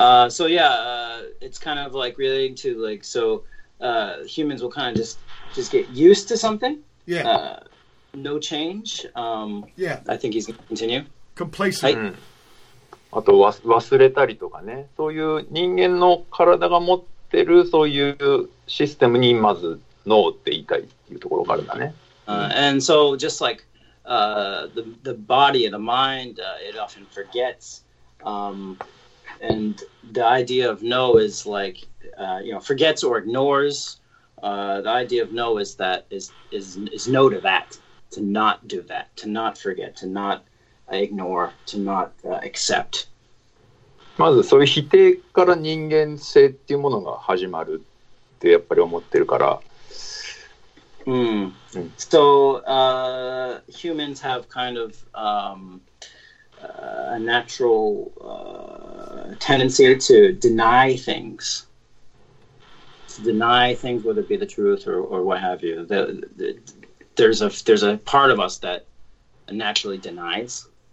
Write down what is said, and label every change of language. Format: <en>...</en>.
<en>So yeah, it's kind of like relating to like, so humans will kind of just get used to something. Yeah. No change. Yeah. I think he's gonna continue. Complacent.</en> <ja>はい。あと忘れたりとかね。そういう人間の体が持ってるそういうシステムにまず脳って言いたいっていうところがあるんだね。</ja> <en>And so just like the body and the mind, it often forgets. And the idea of no is like, you know, forgets or ignores. The idea of no is that is no to that. To not do that, to not forget, to not ignore, to not accept.</en> <ja>まずそういう否定から人間性っていうものが始まるってやっぱり思ってるから。</ja> <en>So humans have kind of a natural tendency to deny things. To deny things, whether it be the truth or what have you. There's a part of us that naturally denies.</en>